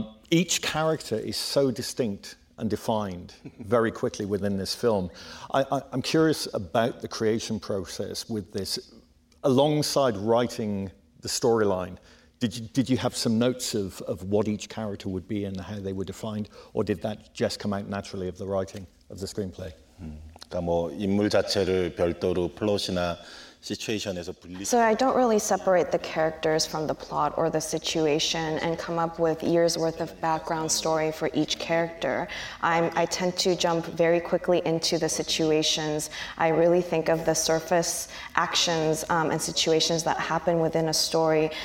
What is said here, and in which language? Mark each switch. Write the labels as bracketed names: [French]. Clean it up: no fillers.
[English] Each character is so distinct and defined very quickly within this film. I'm curious about the creation process with this. Alongside writing the storyline, did you have some notes of what each character would be and how they were defined, or did that just come out naturally of the writing of the screenplay? [Korean] 그러니까 뭐 인물 자체를 별도로 플롯이나 [English] So I don't really separate the characters from the plot or the situation and come up with years worth of background story for each character. I tend to jump very quickly into the situations. I really think of the surface actions and situations that happen within a story.